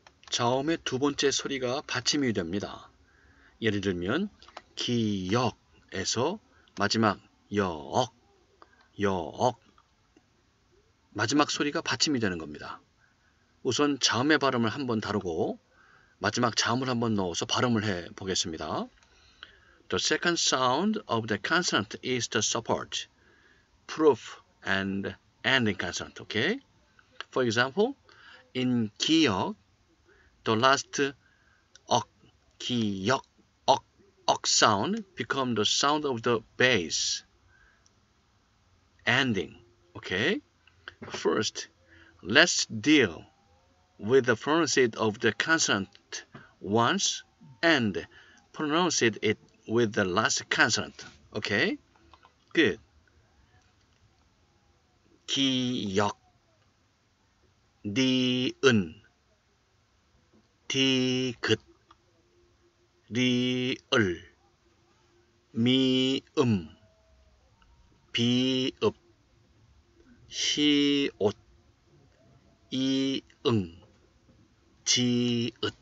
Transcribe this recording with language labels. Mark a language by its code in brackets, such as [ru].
[ko] 자음의 두 번째 소리가 받침이 됩니다. 예를 들면, 기역에서 마지막 역, 역. 마지막 소리가 받침이 되는 겁니다. 우선 자음의 발음을 한번 다루고, 마지막 자음을 한번 넣어서 발음을 해 보겠습니다. [en] The second sound of the consonant is the support, proof, and ending consonant. Okay. For example, in 기억, the last 억, 기억, 억, 억 sound become the sound of the base ending. Okay. First, let's deal with the pronunciation of the consonant once and pronounce it with the last consonant. Okay? Good. [ko] 기역 니은 디귿 리을 미음 비읍 시옷 이응 지읒.